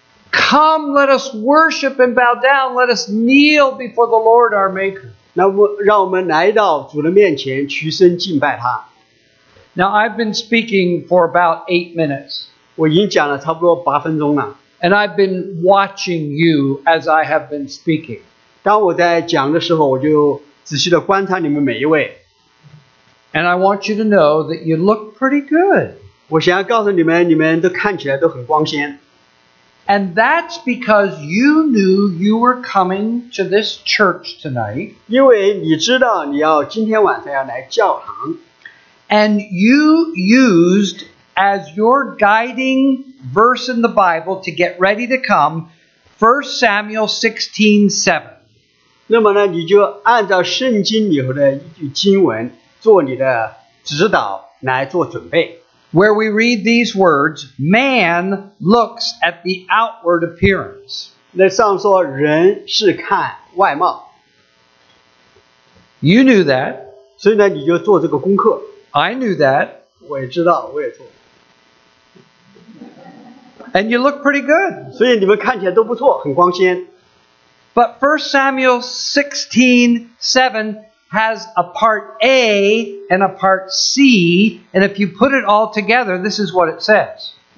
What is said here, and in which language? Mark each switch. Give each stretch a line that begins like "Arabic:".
English: Come, let us worship and bow down. Let us kneel before the Lord our Maker.
Chinese: 那么让我们来到主的面前屈身敬拜他。
English: Now I've been speaking for about 8 minutes.
Chinese: 我已经讲了差不多8分钟了。
English: And I've been watching you as I have been speaking.
Chinese: 当我在讲的时候，我就仔细地观察你们每一位。
English: And I want you to know that you look pretty good.
Chinese: 我想要告诉你们，你们都看起来都很光鲜。
English: And that's because you knew you were coming to this church tonight.
Chinese: 因为你知道你要今天晚上要来教堂。
English: And you used as your guiding verse in the Bible to get ready to come, 1 Samuel 16:7.
Chinese: 那么呢，你就按照圣经里头的一句经文做你的指导来做准备。
English: Where we read these words, man looks at the outward appearance.
Chinese: 那上说人是看外貌。
English: You knew that.
Chinese: 所以呢，你就做这个功课。
English: I knew that.
Chinese: 我也知道，我也做。
English: And you look pretty good.
Chinese: 所以你们看起来都不错，很光鲜。
English: But 1 Samuel 16:7 has a part A and a part C, and if you put it all together, this is what it says.